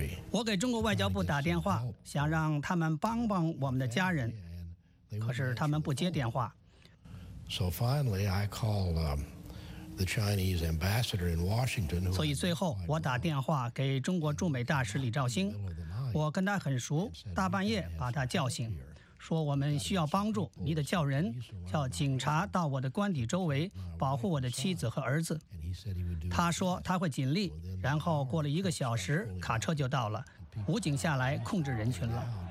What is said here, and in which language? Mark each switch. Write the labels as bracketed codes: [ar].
[zh] 我给中国外交部打电话，想让他们帮帮我们的家人，可是他们不接电话。 [en] So finally, I called the Chinese ambassador in Washington. [zh] 所以最后我打电话给中国驻美大使李兆星，我跟他很熟，大半夜把他叫醒，说我们需要帮助，你得叫人，叫警察到我的官邸周围保护我的妻子和儿子。他说他会尽力，然后过了一个小时，卡车就到了，武警下来控制人群了。